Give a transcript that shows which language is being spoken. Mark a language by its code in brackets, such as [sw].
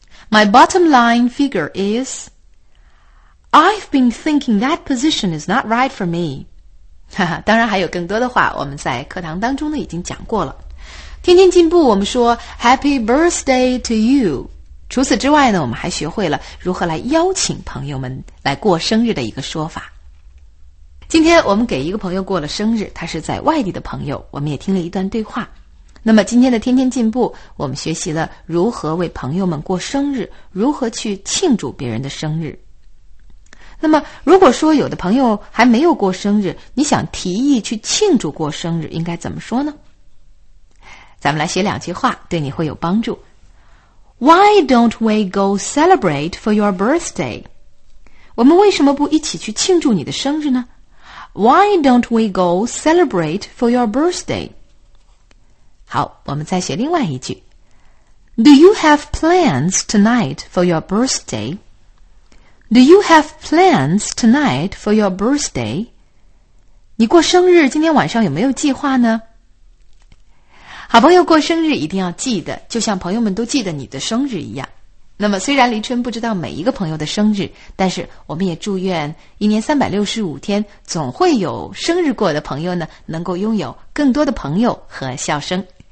[en] My bottom line figure is, I've been thinking that position is not right for me. [zh] 当然还有更多的话，我们在课堂当中呢已经讲过了。天天进步，我们说 Happy birthday to you. 除此之外呢，我们还学会了如何来邀请朋友们来过生日的一个说法。今天我们给一个朋友过了生日，他是在外地的朋友，我们也听了一段对话。那么今天的天天进步，我们学习了如何为朋友们过生日，如何去庆祝别人的生日。那么如果说有的朋友还没有过生日，你想提议去庆祝过生日，应该怎么说呢？咱们来写两句话，对你会有帮助。 [en] Why don't we go celebrate for your birthday? [zh] 我们为什么不一起去庆祝你的生日呢？ [en] Why don't we go celebrate for your birthday? [zh] 好，我们再学另外一句。 [en] Do you have plans tonight for your birthday? Do you have plans tonight for your birthday? [zh] 你过生日今天晚上有没有计划呢？好朋友过生日一定要记得，就像朋友们都记得你的生日一样。那么虽然黎春不知道每一个朋友的生日，但是我们也祝愿一年365天总会有生日过的朋友呢，能够拥有更多的朋友和笑声。